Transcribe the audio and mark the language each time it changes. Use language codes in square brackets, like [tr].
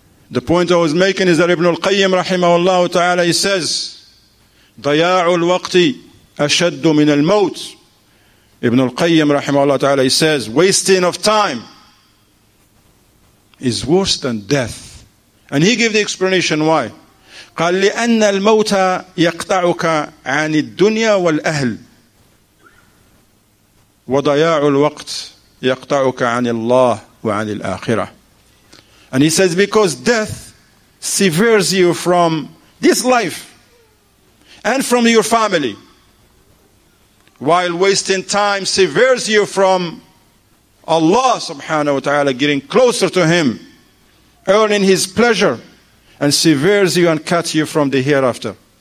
[en] The point I was making is that Ibn al-Qayyim, rahimahullah ta'ala, he says, [ar] Daya'ul waqti ashaddu min al-maut. [en] Ibn al-Qayyim rahimahullah ta'ala, he says, wasting of time is worse than death. And he gave the explanation why. [ar] قال لأن الموت يقطعك عن الدنيا والأهل وضياع الوقت يقطعك عن الله وعن الآخرة. [en] And he says because death severs you from this life and from your family, while wasting time severs you from Allah subhanahu wa ta'ala, getting closer to Him, earning His pleasure, and severs you and cuts you from the hereafter.